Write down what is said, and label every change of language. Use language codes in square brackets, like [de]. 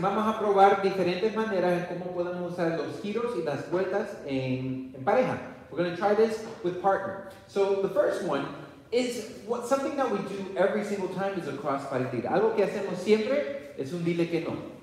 [es] Vamos a probar diferentes maneras en cómo podemos usar los giros y las vueltas en pareja. [en] We're going to try this with partner. So the first one is what something that we do every single time is a cross partida. [es] Algo que hacemos siempre es un dile que no.